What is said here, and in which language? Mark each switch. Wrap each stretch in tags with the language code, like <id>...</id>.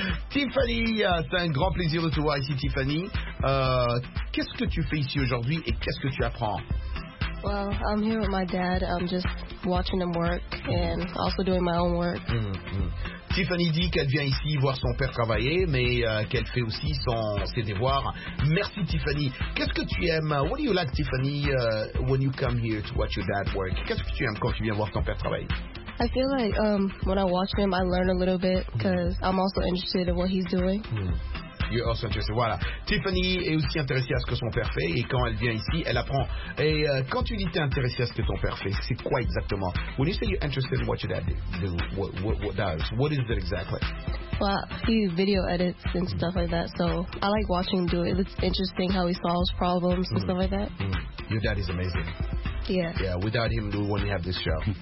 <fr>Tiffany, c'est un grand plaisir de te voir ici, Tiffany. Qu'est-ce que tu fais ici aujourd'hui et qu'est-ce que tu apprends?</fr> <en>Well, I'm here with my dad. I'm just watching him work and also doing my own work. Mm-hmm.</en> <fr>Tiffany dit qu'elle vient ici voir son père travailler, mais qu'elle fait aussi ses devoirs. Merci, Tiffany. Qu'est-ce que tu aimes?</fr> <en>What do you like, Tiffany, when you come here to watch your dad work?</en> <fr>Qu'est-ce que tu aimes quand tu viens voir ton père travailler?</fr> <en>I feel like when I watch him, I learn a little bit because I'm also interested in what he's doing. Mm. You're also interested. Voilà.</en> <fr>Tiffany est aussi intéressée à ce que son père fait et quand elle vient ici, elle apprend. Et quand tu dis t'es intéressée à ce que ton père fait, c'est quoi exactement?</fr> <en>When you say you're interested in what your dad does, what is it exactly? Well, he video edits and stuff like that, so I like watching him do it. It's interesting how he solves problems and stuff like that. Mm. Your dad is amazing. Yeah. Yeah, without him, we wouldn't have this show.</en>